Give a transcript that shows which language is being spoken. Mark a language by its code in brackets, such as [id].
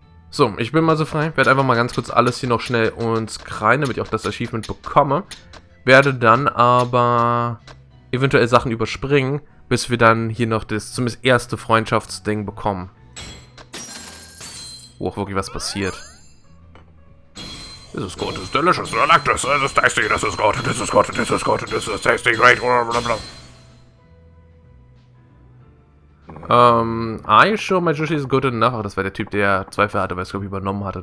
[de] So, ich bin mal so frei, werde einfach mal ganz kurz alles hier noch schnell uns kreien, damit ich auch das Archiv mitbekomme. Werde dann aber eventuell Sachen überspringen, bis wir dann hier noch das zumindest erste Freundschaftsding bekommen. Wo auch wirklich was passiert. [en] This is good, this is delicious, I like this, this is tasty, this is good, this is good, this is good, this is tasty, great, blablabla. Are you sure my sushi is good enough? [de] Oh, das war der Typ, der Zweifel hatte, weil es glaube ich übernommen hatte.